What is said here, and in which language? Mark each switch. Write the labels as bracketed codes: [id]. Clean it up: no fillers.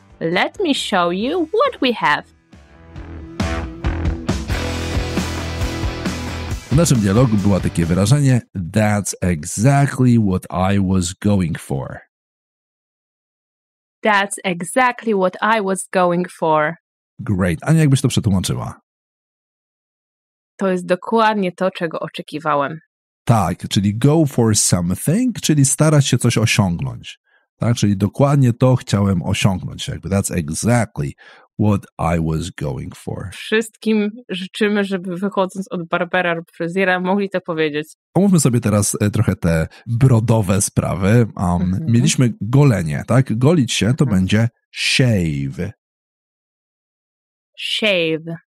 [en] Let me show you what we have. [pl] W naszym dialogu było takie wyrażenie: [en] That's exactly what I was going for. That's exactly what I was going for. Great. [pl] Ania, jakbyś to przetłumaczyła? To jest dokładnie to, czego oczekiwałem. Tak, czyli [en] go for something, [pl] czyli starać się coś osiągnąć. Tak, czyli dokładnie to chciałem osiągnąć. [en] Jakby that's exactly what I was going for. [pl] Wszystkim życzymy, żeby wychodząc od barbera lub fryzjera mogli to powiedzieć. Omówmy sobie teraz trochę te brodowe sprawy. Mieliśmy golenie, tak? Golić się to będzie shave. [en] Shave.